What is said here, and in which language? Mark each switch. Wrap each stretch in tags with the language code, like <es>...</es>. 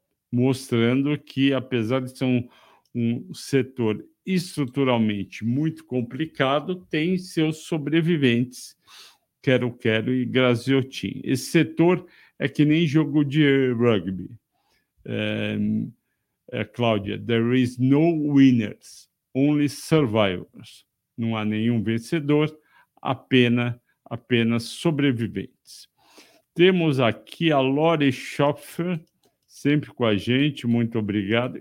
<pt>Mostrando que, apesar de ser um setor estruturalmente muito complicado, tem seus sobreviventes, Quero-Quero e Graziotin. Esse setor é que nem jogo de rugby.</pt> <en>Cláudia, there is no winners, only survivors.</en> <pt>Não há nenhum vencedor, apenas sobreviventes. Temos aqui a Lori Schopfer, sempre com a gente, muito obrigado.</pt>